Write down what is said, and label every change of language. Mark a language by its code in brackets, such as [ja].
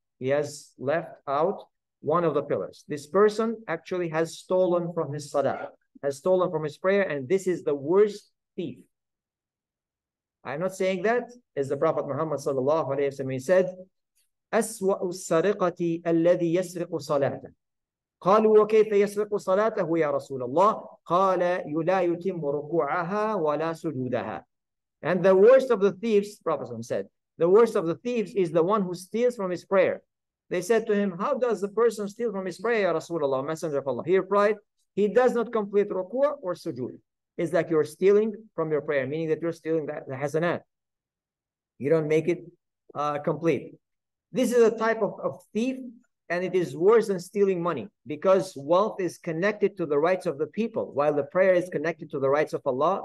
[en] He has left out one of the pillars. This person actually has stolen from his salah, has stolen from his prayer, and this is the worst thief. I'm not saying that, as the Prophet Muhammad sallallahu alayhi wa sallam said, [ar] أَسْوَأُ السَّرِقَةِ الَّذِي يَسْرِقُ صَلَاتًا. قالوا وكيف يسرق صلاته يا رسول الله قال لا يتم ركوعها ولا سجودها. [en] And the worst of the thieves, Prophet said, The worst of the thieves is the one who steals from his prayer. They said to him, how does the person steal from his prayer, Ya Rasulullah, Messenger of Allah? He replied, he does not complete ruku' or sujood. It's like you're stealing from your prayer, meaning that you're stealing the hasanat. You don't make it complete. This is a type of thief, and it is worse than stealing money, because wealth is connected to the rights of the people, while the prayer is connected to the rights of Allah.